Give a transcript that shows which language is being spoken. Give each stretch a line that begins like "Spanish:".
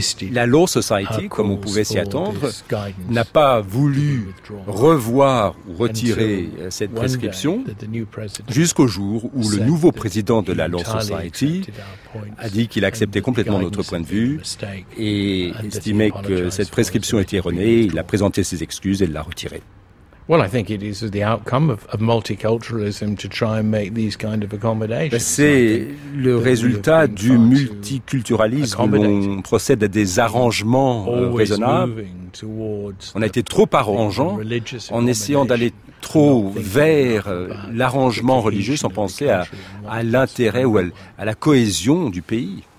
French: La Law Society, comme on pouvait s'y attendre, n'a pas voulu revoir ou retirer cette prescription jusqu'au jour où le nouveau président de la Law Society a dit qu'il acceptait complètement notre point de vue et estimait que cette prescription était erronée. Il a présenté ses excuses et l'a retirée.
English: Well, I think it is the outcome of multiculturalism to try and make these kind of accommodations.
French: C'est le résultat du multiculturalisme où on procède à des arrangements raisonnables. On a été trop arrangeant en essayant d'aller trop vers l'arrangement religieux sans penser à l'intérêt ou à la cohésion du pays.